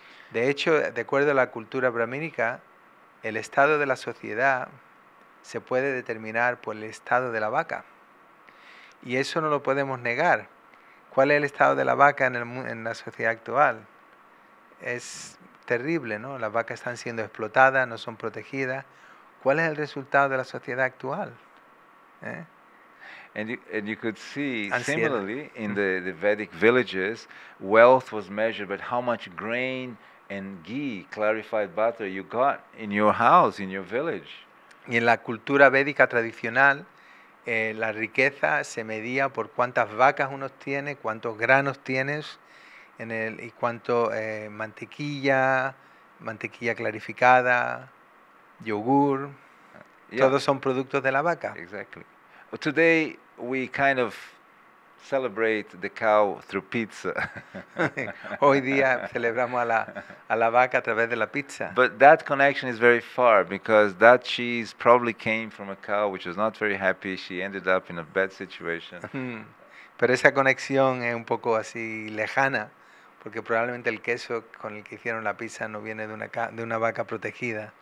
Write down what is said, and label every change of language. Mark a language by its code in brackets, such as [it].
[es] De hecho, de acuerdo a la cultura brahmínica, el estado de la sociedad se puede determinar por el estado de la vaca. Y eso no lo podemos negar. ¿Cuál es el estado de la vaca en la sociedad actual? Es terrible, ¿no? Las vacas están siendo explotadas, no son protegidas. ¿Cuál es el resultado de la sociedad actual? [en] And you could see similarly in the Vedic villages, wealth was measured by how much grain and ghee, clarified butter, you got in your house, in your village. [es] Y en la cultura védica tradicional, la riqueza se medía por cuántas vacas uno tiene, cuántos granos tienes, y cuánto mantequilla clarificada, yogur. Yeah. Todos son productos de la vaca. [en] Exactly. Well, today we kind of celebrate the cow through pizza. [es] Hoy día celebramos a la vaca a través de la pizza. [en] But that connection is very far because that cheese probably came from a cow which was not very happy. She ended up in a bad situation. [es] Pero esa conexión es un poco así lejana porque probablemente el queso con el que hicieron la pizza no viene de una vaca protegida.